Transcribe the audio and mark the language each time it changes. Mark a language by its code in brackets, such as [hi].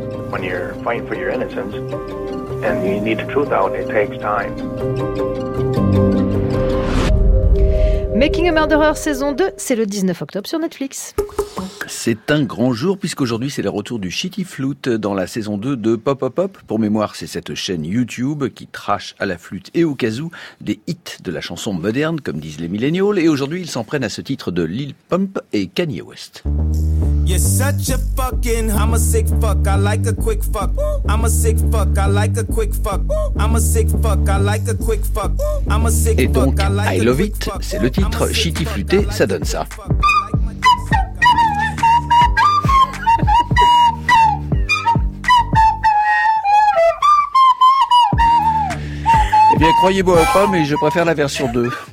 [en] When you're fighting for your innocence and you need the truth out, it takes time. [fr] Making a Murderer saison 2, c'est le 19 octobre sur Netflix. C'est un grand jour puisqu'aujourd'hui c'est le retour du Shitty Flute dans la saison 2 de Pop Pop Pop. Pour mémoire, c'est cette chaîne YouTube qui trache à la flûte et au kazoo des hits de la chanson moderne, comme disent les millennials. Et aujourd'hui, ils s'en prennent à ce titre de Lil Pump et Kanye West. [en] You're such a fucking, I'm a sick fuck, I like a quick fuck. I'm a sick fuck, I like a quick fuck. I'm a sick fuck, I like a quick fuck. I'm a sick fuck, I like a [fr] fuck. Et donc, [en] I love it, [fr] c'est le titre, Shitty Flûté, ça donne ça. Eh bien, croyez-moi ou pas, mais je préfère la version 2.